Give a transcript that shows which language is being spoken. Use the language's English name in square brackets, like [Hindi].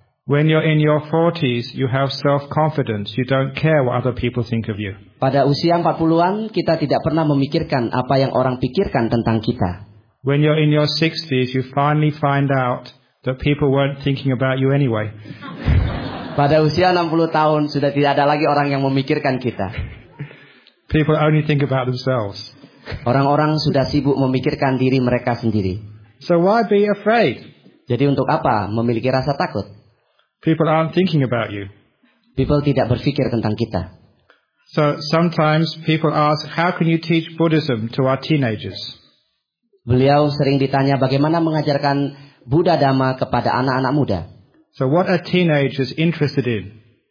[English] When you're in your 40s, you have self-confidence. You don't care what other people think of you. [Indonesian] Pada usia 40-an, kita tidak pernah memikirkan apa yang orang pikirkan tentang kita. [English] When you're in your 60s, you finally find out that people weren't thinking about you anyway. [Indonesian] Pada usia 60 tahun, sudah tidak ada lagi orang yang memikirkan kita. [English] People only think about themselves. [Indonesian] Orang-orang sudah sibuk memikirkan diri mereka sendiri. [English] So why be afraid? [Indonesian] Jadi untuk apa memiliki rasa takut? [English] People aren't thinking about you. [Indonesian] People tidak berpikir tentang kita. [English] So sometimes people ask, how can you teach Buddhism to our teenagers? [Indonesian] Beliau sering ditanya bagaimana mengajarkan Buddha Dhamma kepada anak-anak muda. [English] So what are teenagers interested in?